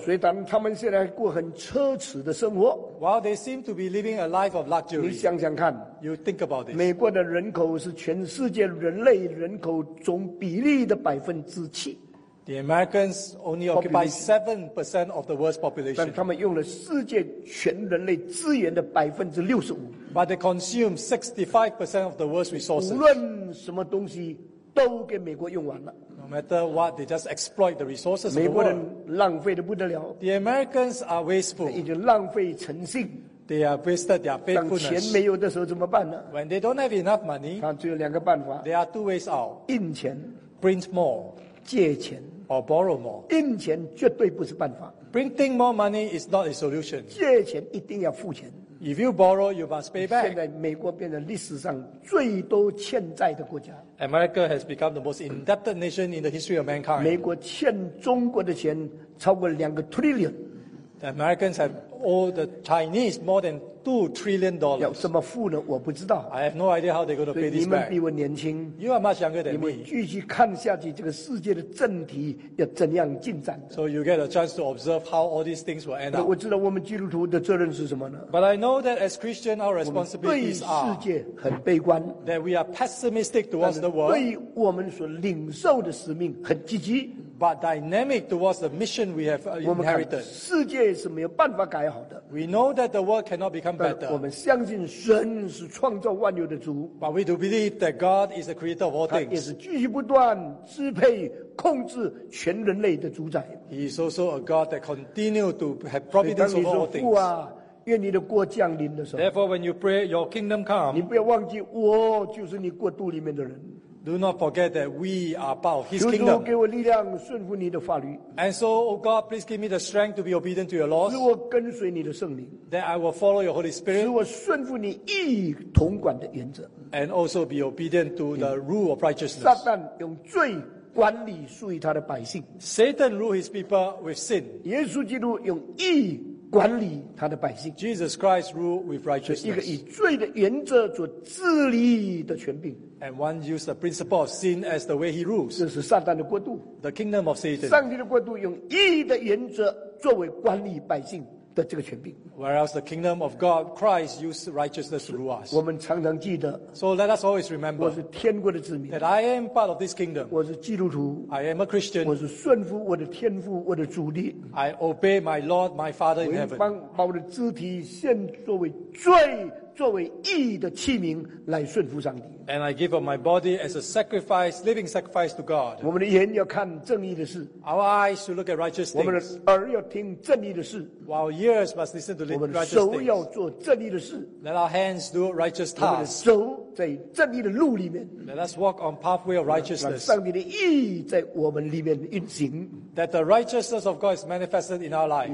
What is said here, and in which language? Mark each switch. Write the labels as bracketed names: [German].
[Chinese] 所以当他们现在过很奢侈的生活。 [English] While they seem to be living a life of luxury. [Chinese] 你想想看。 [English] You think about this. [Chinese] 美国的人口是全世界人类人口总比例的7%。 [English] The Americans only occupy 7% of the world's population. [Chinese] 但他们用了世界全人类资源的65%。 [English] But they consume 65% of the world's resources. [Chinese] 无论什么东西都给美国用完了。 [English] No matter what, they just exploit the resources. [Chinese] 美国人浪费得不得了。 [English] The Americans are wasteful. [Chinese] 已经浪费诚信。 [English] They have wasted their faithfulness. [Chinese] 当钱没有的时候怎么办呢？ [English] When they don't have enough money, [Chinese] 他只有两个办法。 [English] There are two ways out. [Chinese] 印钱。 [English] Print more. [Chinese] 借钱 [English] or borrow more. [Chinese] 印钱绝对不是办法。 [English] Printing more money is not a solution. [Chinese] 借钱一定要付钱。 [English] If you borrow, you must pay back. [Chinese] 现在美国变成历史上最多欠债的国家。 [English] America has become the most indebted nation in the history of mankind. [Chinese] 美国欠中国的钱超过2 trillion. [English] The Americans have owed the Chinese more than $2 trillion. [Chinese] 要怎么付呢？我不知道。 [English] I have no idea how they're going to pay this back. [Chinese] 你们比我年轻。 [English] You are much younger than me. [Chinese] 你们继续看下去，这个世界的政体要怎样进展 [English] ？So you get a chance to observe how all these things will end up. [Chinese] 我知道我们基督徒的责任是什么呢 [English] ？But I know that as Christian, our responsibilities are. [Chinese] 我们对世界很悲观。 [English] That we are pessimistic towards the world. [Chinese] 对我们所领受的使命很积极。 [English] But dynamic towards the mission we have inherited. [Chinese] 世界是没有办法改好的。 [English] We know that the world cannot become better. [Chinese] 我们相信神是创造万有的主。 [English] But we do believe that God is the creator of all things. [Chinese] 他也是继续不断支配控制全人类的主宰。 [English] He is also a God that continues to have providence over all things. [Chinese] 愿你的国降临的时候。 [English] Therefore, when you pray, your kingdom come. [Chinese] 你不要忘记，我就是你国度里面的人。 [English] Do not forget that we are part of His kingdom. [Chinese] 求主给我力量顺服你的法律。 [English] And so, O God, please give me the strength to be obedient to Your laws. [Chinese] 使我跟随你的圣灵。 [English] That I will follow Your Holy Spirit. [Chinese] 使我顺服你义统管的原则。 [English] And also be obedient to the rule of righteousness. [Chinese] 撒旦用罪管理属于他的百姓。 [English] Satan rule his people with sin. [Chinese] 耶稣基督用义管理他的百姓。 [English] Jesus Christ rule with righteousness. [Chinese] 一个以罪的原则做治理的权柄。 [English] And one use the principle of sin as the way he rules. [Chinese] 这是撒旦的国度。 [English] The kingdom of Satan. [Chinese] 上帝的国度用义的原则作为管理百姓的这个权柄。 [English] Whereas the kingdom of God, Christ used righteousness to rule us. [Chinese] 我们常常记得。 [English] So let us always remember. [Chinese] 我是天国的子民。 [English] That I am part of this kingdom. [Chinese] 我是基督徒。 [English] I am a Christian. [Chinese] 我是顺服我的天父，我的主的。 [English] I obey my Lord, my Father in heaven. [Chinese] 我应当把我的肢体献作为罪。作为义的器皿来顺服上帝。 [English] And I give up my body as a sacrifice, living sacrifice to God. [Chinese] 我们的眼要看正义的事。 [English] Our eyes should look at righteous things. [Chinese] 我们的耳要听正义的事。 [English] Our ears must listen to righteous things. [Chinese] 我们的手要做正义的事。 [English] Let our hands do righteous tasks. [Chinese] 我们的手在正义的路里面。 [English] Let us walk on pathway of righteousness. [Chinese] 让上帝的义在我们里面运行。 [English] That the righteousness of God is manifested in our life.